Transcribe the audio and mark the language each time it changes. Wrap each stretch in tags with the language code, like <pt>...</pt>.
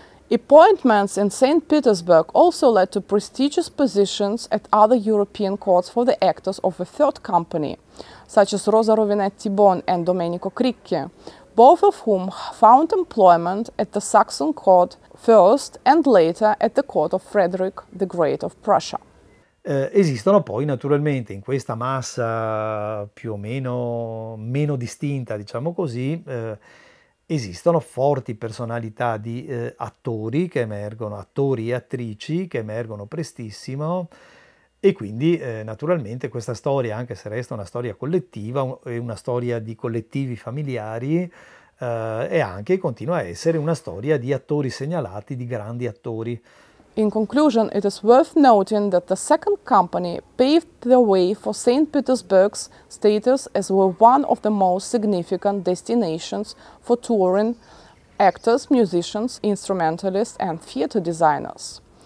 <en>Appointments in St. Petersburg also led to prestigious positions at other European courts for the actors of a third company, such as Rosa Rovinetti-Bon and Domenico Cricchi, both of whom found employment at the Saxon court first and later at the court of Frederick the Great of Prussia.</en> <it>Esistono poi naturalmente in questa massa più o meno distinta, diciamo così, esistono forti personalità di attori che emergono, attori e attrici che emergono prestissimo e quindi naturalmente questa storia, anche se resta una storia collettiva e una storia di collettivi familiari, è anche continua a essere una storia di attori segnalati, di grandi attori.</it> <en>In conclusion, it is worth noting that the second company paved the way for St. Petersburg's status as one of the most significant destinations for touring actors, musicians, instrumentalists, and theater designers.</en>